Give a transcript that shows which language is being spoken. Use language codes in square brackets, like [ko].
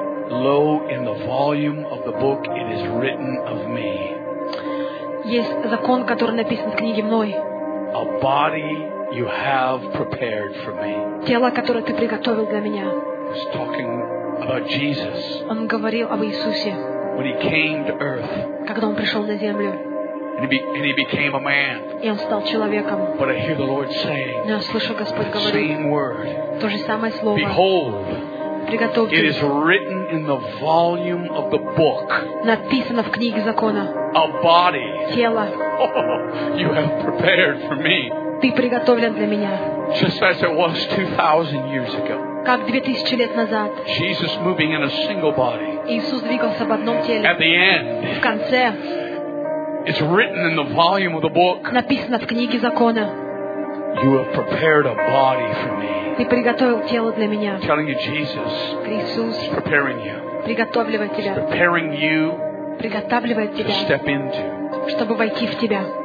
[en] Lo, in the volume of the book it is written of me. [ru] Есть закон, который написан в книге мной. [en] A body you have prepared for me. [ru] Тело, которое ты приготовил для меня. [en] He's talking about Jesus. [ru] Он говорил об Иисусе. [en] When he came to earth. [ru] Когда он пришел на землю. [en] And he became a man. [ru] И он стал человеком. [en] But I hear the Lord saying. [ru] Но я слышу, Господь говорит. [en] Same word. [ru] То же самое слово. [en] Behold. [ru] Приготовьте. [en] It is written in the volume of the book. [ru] Написано в книге закона. [en] A body. [ru] Тело. [en] You have prepared for me. [ru] Ты приготовлен для меня. [en] Just as it was 2,000 years ago. [ru] Как 2,000 лет назад. [en] Jesus moving in a single body. [ru] Иисус двигался в одном теле. [en] At the end. [ru] В конце. [en] It's written in the volume of the book. [ru] Написано в книге закона. [en] You have prepared a body for me. [ru] Ты приготовил тело для меня. [en] I'm telling you, Jesus. [ru] Иисус. [en] Preparing you. [ru] Приготовляет тебя. [en] Preparing you. [ru] Приготовляет тебя. [en] To step into. [ru] Чтобы войти в тебя.